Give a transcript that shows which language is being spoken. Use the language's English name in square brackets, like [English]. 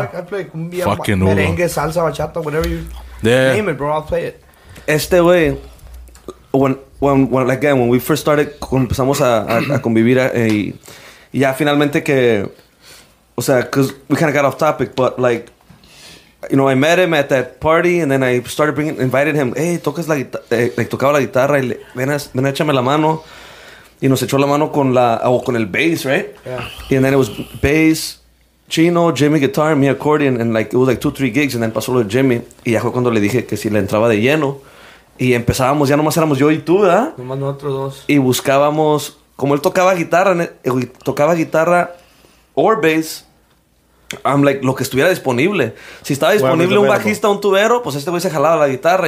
[English] I play cumbia, merengue, salsa, bachata, whatever you name it, bro. I'll play it. Este güey, when we first started, [Spanish] empezamos a convivir, y ya finalmente que, o sea, [English] because we kind of got off topic, but like, you know, I met him at that party, and then I started invited him. [Spanish] Hey, tocas la guitarra, tocaba la guitarra, y ven a échame la mano. Y nos echó la mano con el bass, right? [English] Yeah. And then it was bass, Chino, Jimmy guitar, me accordion, and like, it was like 2-3 gigs, and then [Spanish] pasó lo de Jimmy. Y ya fue cuando le dije que si le entraba de lleno. Y empezábamos, ya nomás éramos yo y tú, ¿verdad? Nomás nosotros dos. Y buscábamos, como él tocaba guitarra or bass, I'm like, lo que estuviera disponible. Si estaba disponible un bajista, un tubero, pues este güey se jalaba la guitarra.